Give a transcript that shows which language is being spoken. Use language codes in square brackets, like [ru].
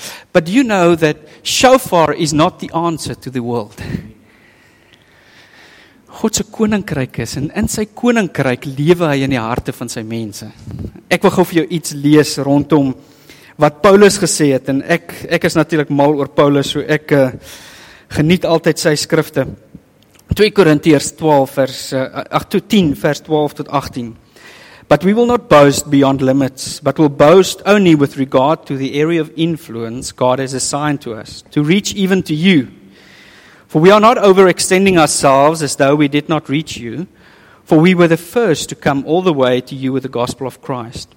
[en] But do you know that Shofar is not the answer to the world? [af] God se koninkryk is, en in sy koninkryk lewe hy in die harte van sy mense. Ek wil gou vir jou iets lees rondom wat Paulus gesê het, en ek is natuurlik mal oor Paulus, so ek geniet altyd sy skrifte. 2 Korintiërs 12 vers 10 vers 12 tot 18. [en] But we will not boast beyond limits, but will boast only with regard to the area of influence God has assigned to us, to reach even to you. For we are not overextending ourselves as though we did not reach you, for we were the first to come all the way to you with the gospel of Christ.